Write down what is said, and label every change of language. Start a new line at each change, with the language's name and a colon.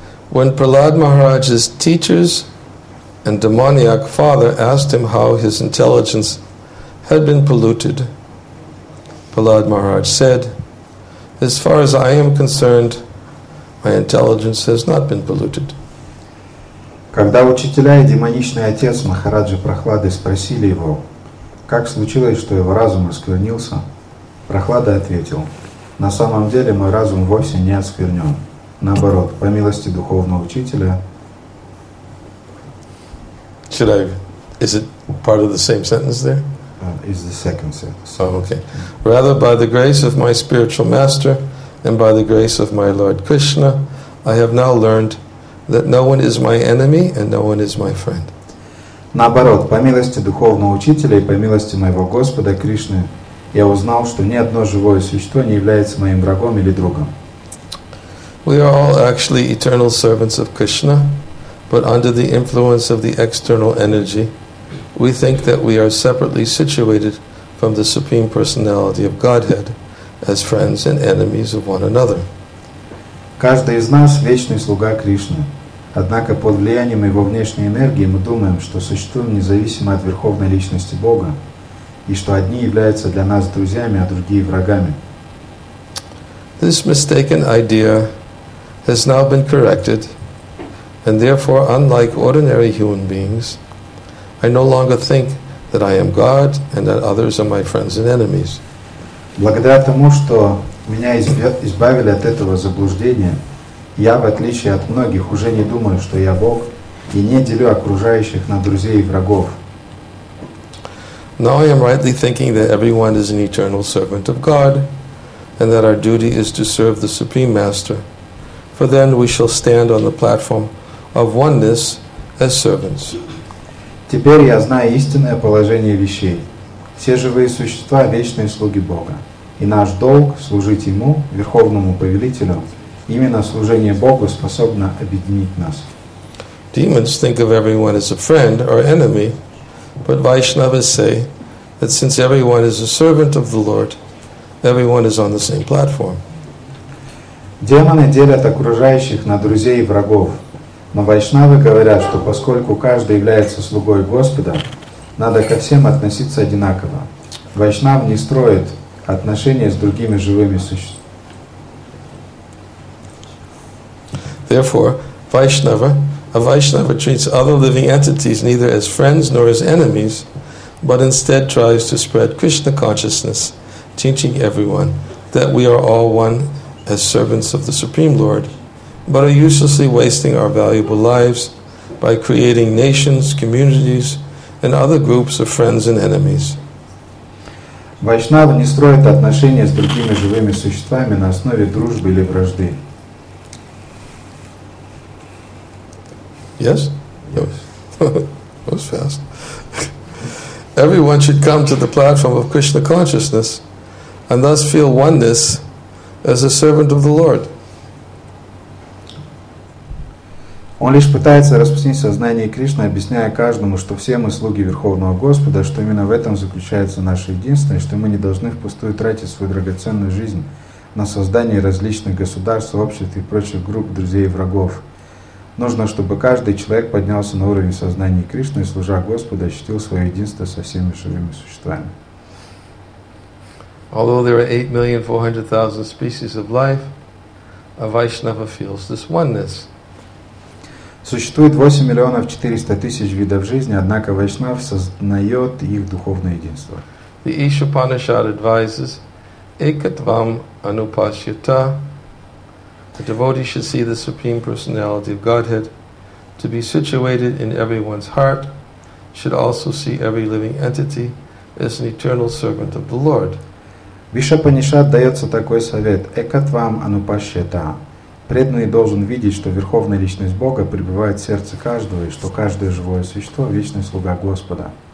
English: When Prahlad Maharaj's teachers and demoniac father asked him how his intelligence had been polluted, Prahlad Maharaj said, "As far as I am concerned, my intelligence has not been polluted."
Russian: Когда учителя и демоничный отец Махараджи Прахлады спросили его, как случилось, что его разум осквернился, Прахлада ответил: на самом деле мой разум вовсе не осквернен. Наоборот, по милости духовного учителя.
English: Is it part of the same sentence there? Is the second sentence. Oh, okay. Rather, by the grace of my spiritual master and by the grace of my Lord Krishna, I have now learned that no one is my enemy and no one is my friend.
Russian: Наоборот, по милости духовного учителя и по милости моего Господа Кришны, я узнал, что ни одно живое существо не является моим врагом или другом.
English: We are all actually eternal servants of Krishna, but under the influence of the external energy, we think that we are separately situated from the Supreme Personality of Godhead as friends and enemies of one another.
Russian: Каждый из нас – вечный слуга Кришны. Однако под влиянием его внешней энергии мы думаем, что существуем независимо от Верховной Личности Бога, и что одни являются для нас друзьями, а другие врагами.
English: This mistaken idea has now been corrected, and therefore, unlike ordinary human beings, I no longer think that I am God and that others are my friends and enemies.
Russian: Благодаря тому, что меня избавили от этого заблуждения, я, в отличие от многих, уже не думаю, что я Бог, и не делю окружающих на друзей и врагов.
English: Now I am rightly thinking that everyone is an eternal servant of God, and that our duty is to serve the Supreme Master, for then we shall stand on the platform of oneness as servants.
Russian: Теперь я знаю истинное положение вещей. Все живые существа – вечные слуги Бога. И наш долг – служить Ему, Верховному Повелителю. Именно служение Богу способно объединить нас.
English: Demons think of everyone as a friend or enemy, but Vaishnavas say that since everyone is a servant of the Lord, everyone is on the same platform.
Russian: Демоны делят окружающих на друзей и врагов. Но вайшнавы говорят, что поскольку каждый является слугой Господа, надо ко всем относиться одинаково. Вайшнав не строит отношения с другими живыми существами.
English: Therefore, a Vaishnava treats other living entities neither as friends nor as enemies, but instead tries to spread Krishna consciousness, teaching everyone that we are all one as servants of the Supreme Lord, but are uselessly wasting our valuable lives by creating nations, communities, and other groups of friends and enemies.
Russian: Вайшнава не строит отношения с другими живыми существами на основе дружбы или вражды.
English: Yes? Yes. That was fast. Everyone should come to the platform of Krishna consciousness and thus feel oneness as a servant of the Lord.
Russian: Он лишь пытается распространить сознание Кришны, объясняя каждому, что все мы слуги Верховного Господа, что именно в этом заключается наше единство, и что мы не должны впустую тратить свою драгоценную жизнь на создание различных государств, обществ и прочих групп друзей и врагов. Нужно, чтобы каждый человек поднялся на уровень сознания Кришны и, служа Господу, ощутил свое единство со всеми живыми существами.
English: Although there are 8,400,000 species of life, a Vaishnava feels this oneness.
Russian: Существует 8,400,000 видов жизни, однако Вайшнав сознает их духовное единство.
English: The Isha Upanishad advises
Sanskrit: Ekatvam Anupashyata.
English: A devotee should see the Supreme Personality of Godhead to be situated in everyone's heart, should also see every living entity as an eternal servant of the Lord.
Russian: Иша Панишад дается такой совет:
Sanskrit: Экатвам Анупашьята.
Russian: Преданный должен видеть, что Верховная Личность Бога пребывает в сердце каждого, и что каждое живое существо – вечный слуга Господа.